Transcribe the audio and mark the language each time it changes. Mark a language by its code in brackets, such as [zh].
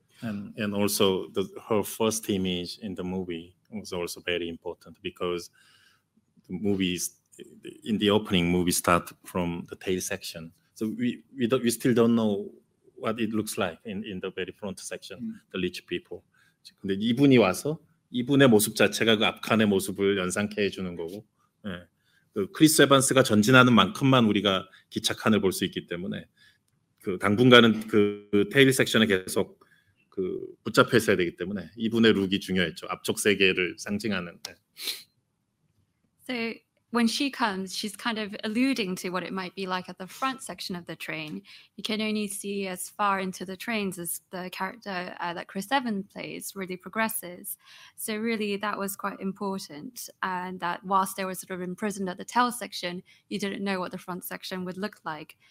[en] And also the, her first image in the movie was also very important because the movies in the opening movie start from the tail section. So we still don't know what it looks like in the very front section, the rich people. [ko] 근데 이분이 와서 이분의 모습 자체가 그 악한의 모습을 연상케 해주는 거고, 예. 그 크리스 에반스가 전진하는 만큼만 우리가 기착한을 볼 수 있기 때문에 그 당분간은 그 테일 섹션에 계속 그 붙잡혀 있어야 되기 때문에 이분의 룩이 중요했죠. 앞쪽 세계를 상징하는. [en] So when she comes, she's kind of alluding to what it might be like at the front section of the train. You can only see as far into the trains as the character that Chris Evans plays really progresses. So really, that was quite important. And that whilst they were sort of imprisoned at the tail section, you didn't know what the front section would look like.